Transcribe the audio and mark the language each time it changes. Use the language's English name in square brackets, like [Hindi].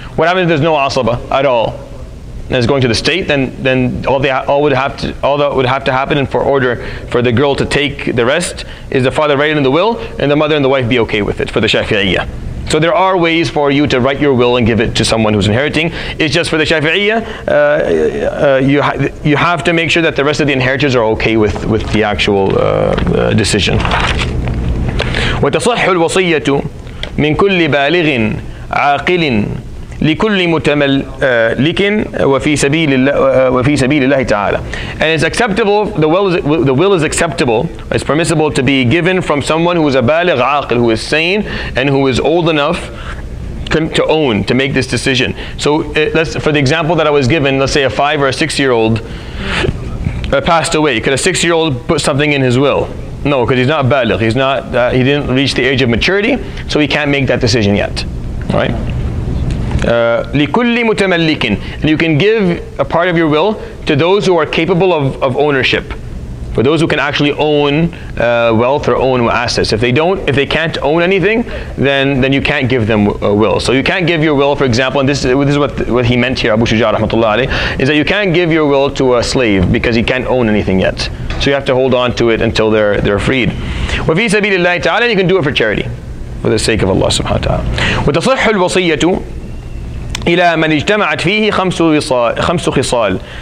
[English] What happens if there's no asaba at all? And it's going to the state, then all that would have to happen, and for order for the girl to take the rest, is the father write it in the will, and the mother and the wife be okay with it for the Shafi'iyya. So there are ways for you to write your will and give it to someone who's inheriting. It's just for the Shafi'iyya, you have to make sure that the rest of the inheritors are okay with the actual decision. [Arabic] وتصح الوصية من كل بالغ عاقل لكل متملك وفي سبيل الله تعالى. [English] And it's acceptable, the will is acceptable, it's permissible to be given from someone who is a baligh aqil, who is sane and who is old enough to own, to make this decision. So for the example that I was given, let's say a 5 or a 6 year old passed away. Could a 6 year old put something in his will? No, because he's not baligh, he didn't reach the age of maturity, so he can't make that decision yet. Right? [Arabic] لِكُلِّ مُتَمَلِّكٍ. [English] And you can give a part of your will to those who are capable of ownership, for those who can actually own wealth or own assets. If they can't own anything, then you can't give them a will. So you can't give your will, for example, and this is what he meant here, Abu Shuja rahmatullah alayh, is that you can't give your will to a slave because he can't own anything yet. So you have to hold on to it until they're freed. [Arabic] وَفِي سَبِيلِ اللَّهِ تَعَالَى. [English] You can do it for charity, for the sake of Allah subhanahu wa ta'ala. [Arabic] وَتَصِحُّ الْوَصِيَّةُ إلى من اجتمعت فيه خمس خصال.